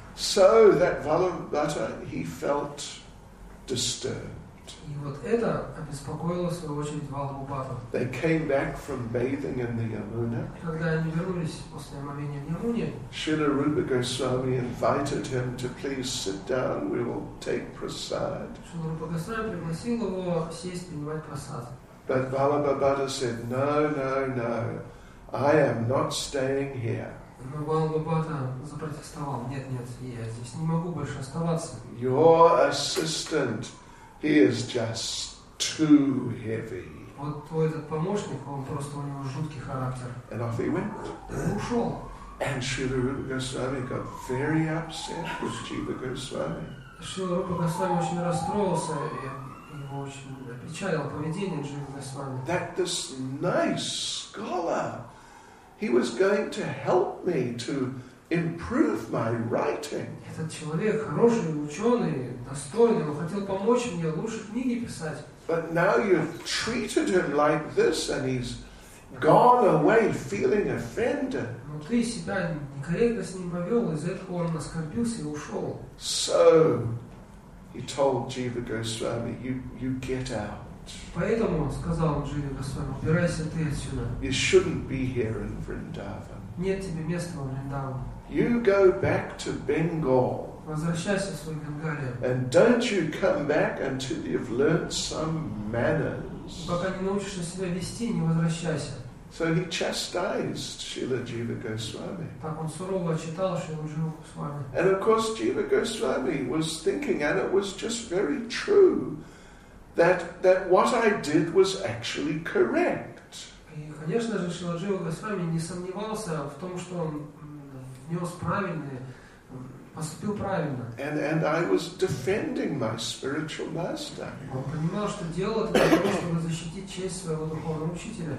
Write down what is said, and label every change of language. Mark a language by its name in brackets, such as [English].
[English] So that Вальба Бата, he felt disturbed. [Russian] И вот это обеспокоило, в свою очередь, Валлабху Бхатту. [English] They came back from bathing in the Yamuna. [Russian] Когда они вернулись после омовения в Ямуне, [English] Шрила Рупа Госвами invited him to please sit down, we will take prasad. [Russian] Шрила Рупа Госвами пригласил его сесть, принимать прасад. [English] But Валлабха Бхатта said, no, no, no, I am not staying here. [Russian] Но Валлабху Бхатта запротестовал, нет, нет, я здесь не могу больше оставаться. [English] Your assistant, he is just too heavy. [Russian] Вот твой этот помощник, он просто, у него жуткий характер. [English] And off he went. [Russian] Ушел. [English] And Srila Rupa Goswami got very upset with Jiva Goswami. [Russian] Srila Rupa Goswami очень расстроился, и его очень опечалило поведение Jiva Goswami. [English] That this nice scholar, he was going to help me to improve my writing. [Russian] Этот человек хороший, ученый, достойный, он хотел помочь мне лучше книги писать. [English] But now you've treated him like this and he's gone away feeling offended. [Russian] Но ты себя некорректно с ним повел, из-за этого он оскорбился и ушел. [English] So he told Jiva Goswami, you get out. [Russian] Поэтому он сказал Дживе Госвами, убирайся ты отсюда. [English] You shouldn't be here in Vrindavan. [Russian] Нет тебе места во Вриндаване. [English] You go back to Bengal. [Russian] Возвращайся в свою Бенгалию. [English] And don't you come back until you've learned some manners. [Russian] Пока не научишься себя вести, не возвращайся. [English] So he chastised Srila Jiva Goswami. [Russian] Так он сурово отчитал Шрилу Джива Госвами. [English] And of course Jiva Goswami was thinking, and it was just very true, that what I did was actually correct. [Russian] И конечно же Шрила Джива Госвами не сомневался в том, что он нес правильные, поступил правильно. [English] And I was defending my spiritual master. [Russian] Он понимал, что делал это для того, чтобы защитить честь своего духовного учителя.